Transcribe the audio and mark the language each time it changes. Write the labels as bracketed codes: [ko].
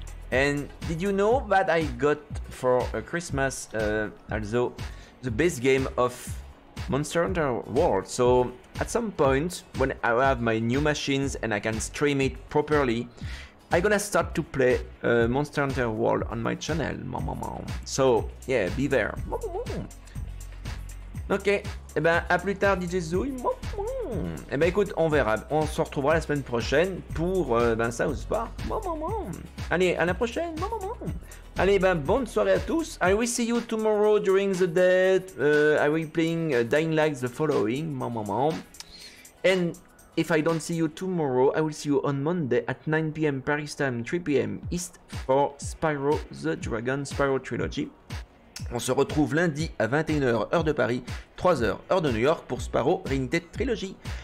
[en] And did you know that I got for Christmas also the base game of Monster Hunter World? So at some point when I have my new machines and I can stream it properly, I'm gonna start to play Monster Hunter World on my channel. So yeah, be there. [fr] Ok, et eh ben à plus tard DJ Zoui. Et ben écoute, on verra, on se retrouvera la semaine prochaine pour South Park. Allez, à la prochaine. Allez, ben bonne soirée à tous. [en] I will see you tomorrow during the day. I will be playing Dying Light the following. And if I don't see you tomorrow, I will see you on Monday at 9 PM Paris time, 3 PM East for Spyro the Dragon Spyro Trilogy. [fr] On se retrouve lundi à 21h, heure de Paris, 3h, heure de New York, pour Sparrow, Rignité Trilogy.